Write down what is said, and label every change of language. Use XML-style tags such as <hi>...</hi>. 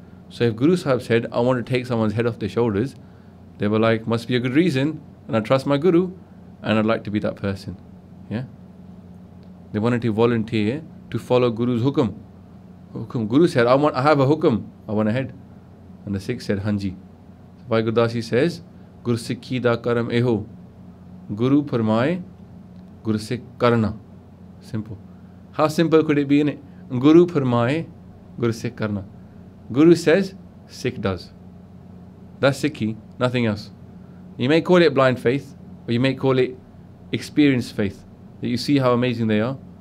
<en>So if Guru Sahib said, I want to take someone's head off their shoulders, they were like, must be a good reason, and I trust my Guru, and I'd like to be that person. Yeah? They wanted to volunteer to follow Guru's hukam. Hukum. Guru said, I have a hukum, I want a head. And the Sikh said, Hanji.</en> <pa>Bhai ਗੁਰਦਾਸੀ says, ਗੁਰ ਸਿਖੀ ਦਾ ਕਰਮ ਏਹੋ. ਗੁਰੂ ਪਰਮਾਏ, ਗੁਰ ਸਿਖ ਕਰਨਾ.</pa> <en>Simple. How simple could it be in it?</en> <pa>Guru parmaye, Gur Sikh karna.</pa> <en>Guru says, Sikh does. That's Sikhi, nothing else. You may call it blind faith, or you may call it experienced faith, that you see how amazing they are.</en>